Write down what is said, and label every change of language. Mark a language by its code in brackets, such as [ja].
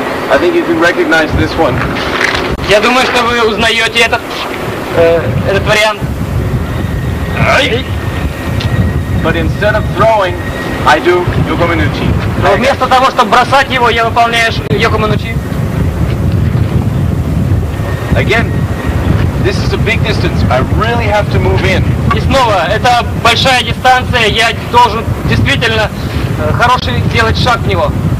[en] I think you can recognize this one. [ru] Я думаю, что вы узнаете этот вариант. [en] But instead of throwing, I do Yokomenuchi. [ru] Но вместо того, чтобы бросать его, я выполняю Yokomenuchi. [en] Again, this is a big distance. I really have to move in. [ru] И снова, это большая дистанция. Я должен действительно хороший делать шаг в него.